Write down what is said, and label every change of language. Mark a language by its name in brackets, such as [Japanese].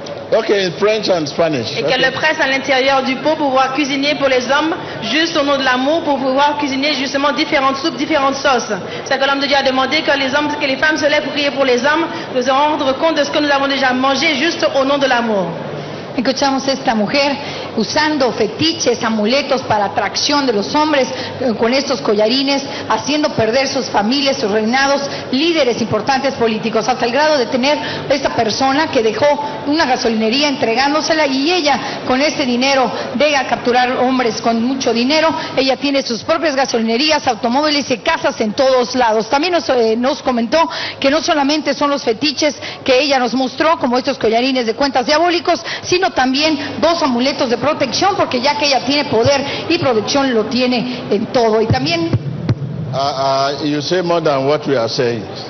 [English] Okay, in French and Spanish. [French] Et qu'elle le presse à l'intérieur du pot pour pouvoir cuisiner pour les hommes, juste au nom de l'amour, pour pouvoir cuisiner justement différentes soupes, différentes sauces. C'est que l'homme de Dieu a demandé que les hommes, que les femmes se lèvent pour prier pour les hommes, pour se rendre compte de ce que nous avons déjà mangé, juste au nom de l'amour. [Spanish] Escuchamos esta mujer usando fetiches, amuletos para atracción de los hombres con estos collarines, haciendo perder sus familias, sus reinados, líderes importantes políticos, hasta el grado de tener esta persona que dejó una gasolinería entregándosela y ella con este dinero llega a capturar hombres con mucho dinero. Ella tiene sus propias gasolinerías, automóviles y casas en todos lados. También nos comentó que no solamente son los fetiches que ella nos mostró, como estos collarines de cuentas diabólicos, sino también dos amuletos de protección, porque ya que ella tiene poder y protección, lo tiene en todo. Y también... [English] You say more than what we are saying.